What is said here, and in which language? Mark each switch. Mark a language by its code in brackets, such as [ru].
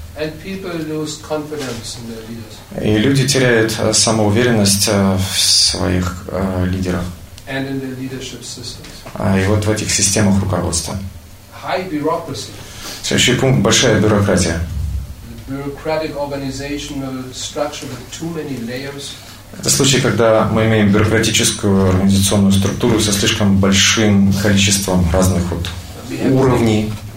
[en] And people lose confidence in their leaders. [ru] И люди теряют самоуверенность в своих лидерах. [en] And in their leadership systems. [ru] И вот в этих системах руководства. [en] High bureaucracy. [ru] Следующий пункт – большая бюрократия. [en] The bureaucratic organizational structure with too many layers. [ru] Это случай, когда мы имеем бюрократическую организационную структуру со слишком большим количеством разных вот уровней.